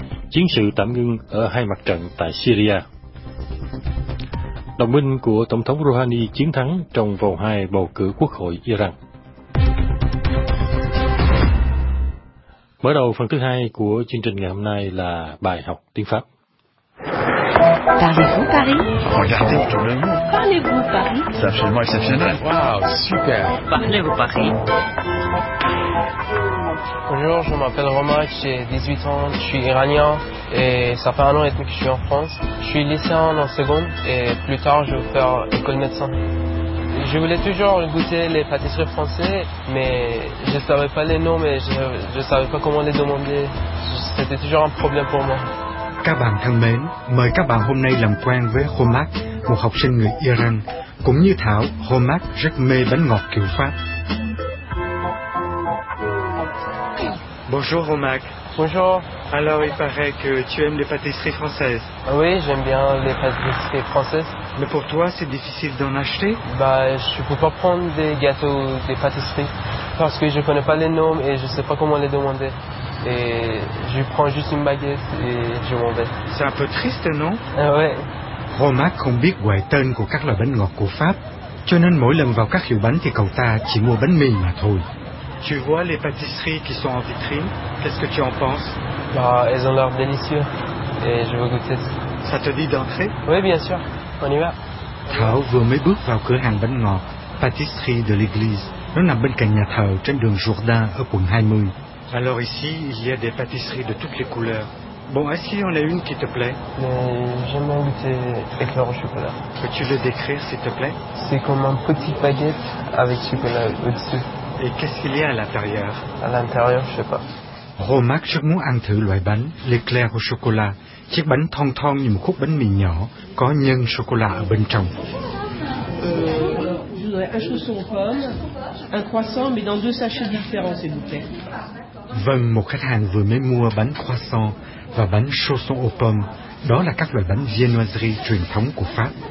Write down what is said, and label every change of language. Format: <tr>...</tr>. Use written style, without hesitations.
<vi>Chiến sự tạm ngưng ở hai mặt trận tại Syria. Đồng minh của Tổng thống Rouhani chiến thắng trong vòng 2 bầu cử quốc hội Iran. Mở đầu phần thứ hai của chương trình ngày hôm nay là bài học tiếng Pháp.</vi> <fr>Parlez-vous Paris? Regardez autour de vous. Parlez-vous Paris? C'est absolument exceptionnel. Wow, super. Parlez-vous Paris? Bonjour, je m'appelle Romain, j'ai 18 ans, je suis iranien et ça fait un an et demi que je suis en France. Je suis lycéen en seconde et plus tard je vais faire école de médecin. Je voulais toujours goûter les pâtisseries françaises, mais je ne savais pas les noms, mais je ne savais pas comment les demander. C'était toujours un problème pour moi.</fr> <vi>Các bạn thân mến, mời các bạn hôm nay làm quen với Homak, một học sinh người Iran. Cũng như Thảo, Homak rất mê bánh ngọt kiểu Pháp.</vi> <fr>Bonjour Homak. Bonjour. Alors il paraît que tu aimes les pâtisseries françaises. Oui, j'aime bien les pâtisseries françaises. Mais pour toi, c'est difficile d'en acheter? Bah, je peux pas prendre des gâteaux ou des pâtisseries parce que je connais pas les noms et je sais pas comment les demander. Et je prends juste une baguette et je m'en vais. C'est un peu triste, non? Ouais.</fr> <vi>Romac không biết ngoại tên của các loại bánh ngọt của Pháp, cho nên mỗi lần vào các hiệu bánh thì cậu ta chỉ mua bánh mì mà thôi.</vi> <fr>Tu vois les pâtisseries qui sont en vitrine? Qu'est-ce que tu en penses? Bah, elles ont l'air délicieuses et je veux goûter. Ça te dit d'entrer? Oui, bien sûr. On y va.</fr> <vi>Thảo vừa mới bước vào cửa hàng bánh ngọt Pâtisserie de l'Église. Nó nằm bên cạnh nhà thờ trên đường Jourdain ở quận 20.</vi> <fr>Alors ici, il y a des pâtisseries de toutes les couleurs. Bon, est-ce qu'il y en a une qui te plaît? J'aimerais goûter éclair au chocolat. Peux-tu le décrire, s'il te plaît? C'est comme un petit baguette avec chocolat au-dessus. Et qu'est-ce qu'il y a à l'intérieur? À l'intérieur, je sais pas.</fr> <vi>Romac rất muốn ăn thử loại bánh l'éclair au chocolat, chiếc bánh thon thon như một khúc bánh mì nhỏ có nhân sô cô la ở bên trong.</vi> <fr>Je voudrais un chausson aux pommes, un croissant mais dans deux sachets différents s'il vous plaît.</fr> <vi>Vâng, một khách hàng vừa mới mua bánh croissant và bánh chausson aux pommes. Đó là các loại bánh viennoiserie truyền thống của Pháp.</vi>